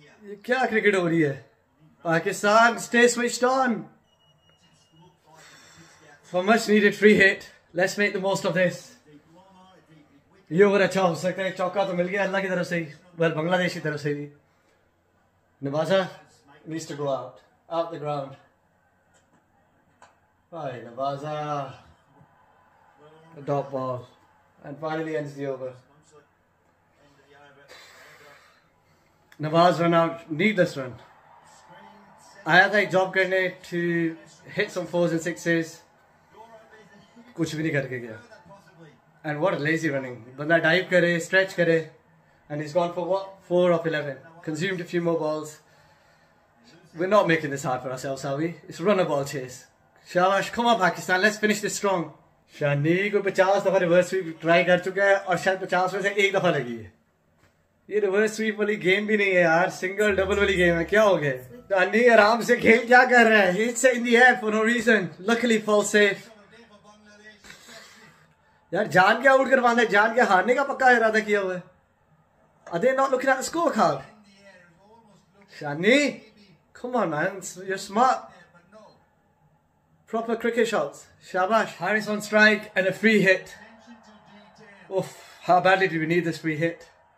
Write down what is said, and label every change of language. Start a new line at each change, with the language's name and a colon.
Hindi: ये क्या क्रिकेट हो रही है
English: Pakistan stay switched on for much needed free hit let's make the most of this
Hindi: ये ओवर अच्छा हो सकता है चौका तो मिल गया अल्लाह की तरफ से ही बल बांग्लादेश की तरफ से भी नवाजा
English: needs to go out out the ground
Hindi: भाई नवाजा
English: a dot ball, and finally ends the over. Nawaz ran out, needless run. I had a job grenade to hit some fours and sixes.
Hindi: Kuch bhi nahi karke gaya.
English: And what a lazy running.
Hindi: Banda dive kare, stretch kare,
English: and he's gone for what? 4 of 11. Consumed a few more balls. We're not making this hard for ourselves, are we? It's run a ball chase. Shabash, come on Pakistan, let's finish this strong.
Hindi: Shani ko 50 dafa reverse sweep try kar chuka hai aur shayad 50 mein se ek dafa lagi hai. ये reverse sweep वाली game भी नहीं है यार, single double वाली game है, क्या हो गया? तो अन्नी आराम से खेल, क्या कर रहा है?
English: He's in the air for no reason. Luckily, fall safe.
Hindi: यार जान के आउट करवाना है, जान के हारने का पक्का इरादा किया हुआ है.
English: Are they not looking at the scorecard? Shani, come on man, you're smart. Proper cricket shots. Shabash. Harris on strike and a free hit. Oof, how badly do we need this free hit?